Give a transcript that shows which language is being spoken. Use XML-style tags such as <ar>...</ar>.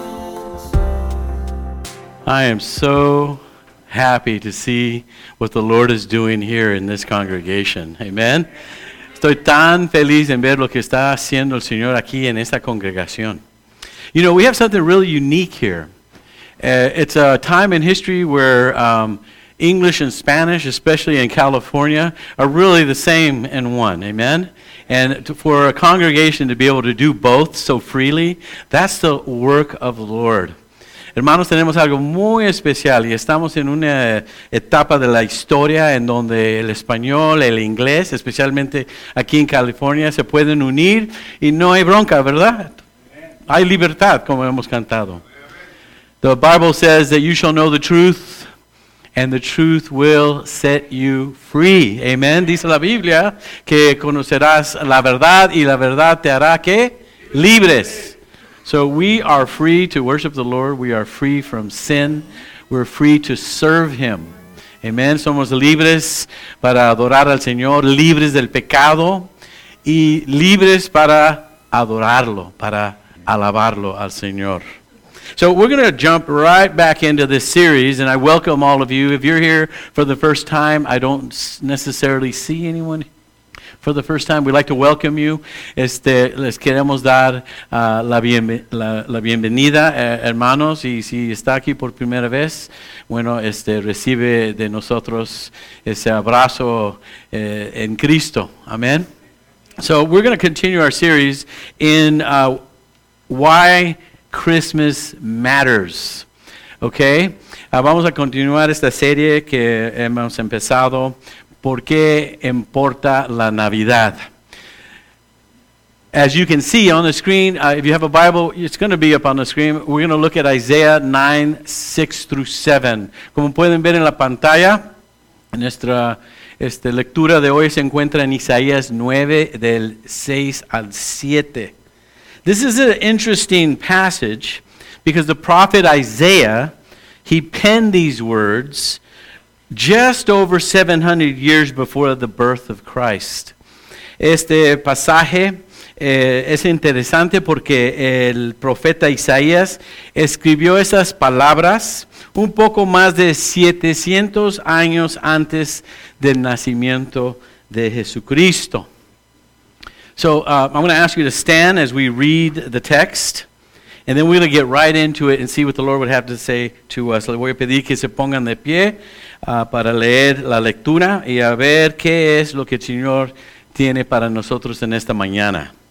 <en>I am so happy to see what the Lord is doing here in this congregation. Amen.</en> <es>Estoy tan feliz en ver lo que está haciendo el Señor aquí en esta congregación.</es> <en>You know, we have something really unique here. It's a time in history where English and Spanish, especially in California, are really the same in one. Amen. And for a congregation to be able to do both so freely, that's the work of the Lord.</en> <es>Hermanos, tenemos algo muy especial y estamos en una etapa de la historia en donde el español, el inglés, especialmente aquí en California, se pueden unir y no hay bronca, ¿verdad? Hay libertad, como hemos cantado.</es> <en>The Bible says that you shall know the truth and the truth will set you free. Amen.</en> <es>Dice la Biblia que conocerás la verdad y la verdad te hará ¿qué? Libres.</es> <en>So we are free to worship the Lord. We are free from sin. We're free to serve Him. Amen. Somos libres para adorar al Señor, libres del pecado y libres para adorarlo, para alabarlo al Señor. So we're going to jump right back into this series, and I welcome all of you. If you're here for the first time, I don't necessarily see anyone here. For the first time, we'd like to welcome you.</en> <es>Les queremos dar la bienvenida, hermanos. Y si está aquí por primera vez, bueno, recibe de nosotros ese abrazo en Cristo.</es> <en>Amen. So we're going to continue our series in Why Christmas Matters. Okay?</en> <es>Vamos a continuar esta serie que hemos empezado. ¿Por qué importa la Navidad?</es> <en>As you can see on the screen, if you have a Bible, it's going to be up on the screen. We're going to look at Isaiah 9, 6 through 7.</en> <es>Como pueden ver en la pantalla, nuestra lectura de hoy se encuentra en Isaías 9, del 6 al 7.</es> <en>This is an interesting passage because the prophet Isaiah, he penned these words just over 700 years before the birth of Christ.</en> <es>Este pasaje es interesante porque el profeta Isaías escribió esas palabras un poco más de 700 años antes del nacimiento de Jesucristo.</es> <en>So I'm going to ask you to stand as we read the text. And then we're going to get right into it and see what the Lord would have to say to us.</en> <es>Le voy a pedir que se pongan de pie para leer la lectura y a ver qué es lo que el Señor tiene para nosotros en esta mañana.</es>